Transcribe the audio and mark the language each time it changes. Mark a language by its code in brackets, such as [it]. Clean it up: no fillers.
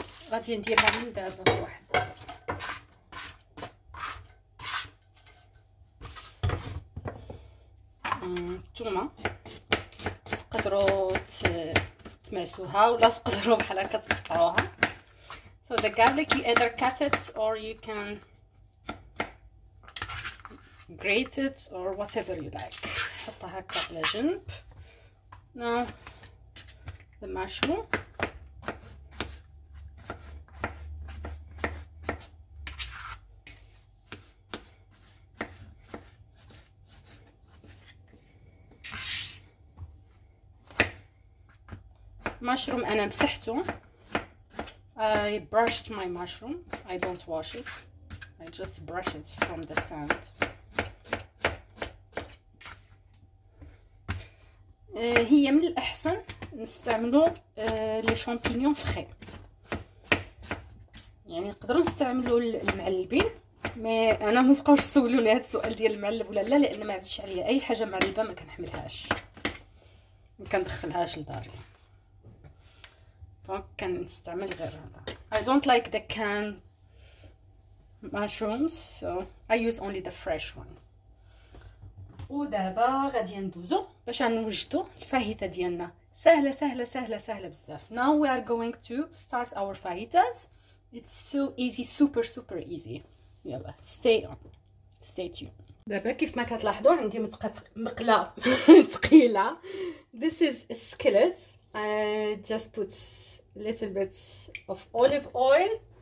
[ar] غادي نديرها من دابا واحد، ثومه تقدروا تمعسوها ولا تقدروا بحال هكا تقطعوها. [en] So the garlic you either cut it or you can grate it or whatever you like. [ar] نحطها هكا على جنب. [en] Now the mushroom. [ar] مشروم انا مسحته. [en] I brushed my mushroom. I don't wash it. I just brush it from the sand. [ar] هي من الاحسن نستعملو لي شامبينيون فخي، يعني نقدروا نستعملو المعلبين، مي انا ما بقاوش تسولوني هذا السؤال ديال المعلب ولا لا، لان ما عادش عليا اي حاجه معلبه ما كنحملهاش، ما كندخلهاش لداري، دونك كنستعمل غير هذا. [en] I don't like the canned mushrooms, so I use only the fresh ones. [ar] ودابا غادي ندوزو باش نوجدو الفاهيتا ديالنا. سهله سهله سهله سهله بزاف. [en] Now we are going to start our fajitas. It's so easy, super super easy. يلا stay on, stay tuned. [ar] دابا كيف ما كتلاحظوا عندي مقله ثقيله. [en] This is a skillet. I just put little bit of olive oil.